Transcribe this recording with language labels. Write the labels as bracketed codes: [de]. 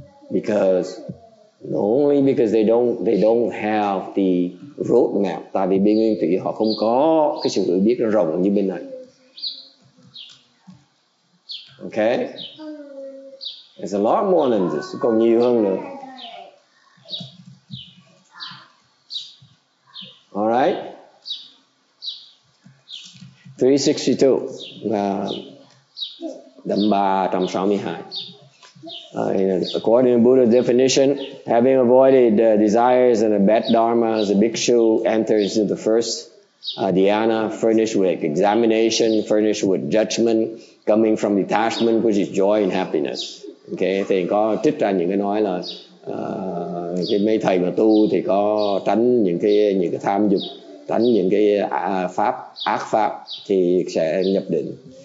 [en] Because only because they don't have the roadmap. [vi] Tại vì bên Nguyên Thủy họ không có cái sự hiểu biết rộng như bên này. [en] Okay? There's a lot more than this. [vi] Còn nhiều hơn nữa. [en] All right? 362. Dhamma 362. According to Buddha's definition, having avoided desires and the bad dharmas, the bhikshu enters into the first dhyana, furnished with examination, furnished with judgment, coming from detachment, which is joy and happiness. [vi] Okay, thì có trích ra những cái nói là cái mấy thầy mà tu thì có tránh những cái tham dục, tránh những cái pháp ác pháp thì sẽ nhập định.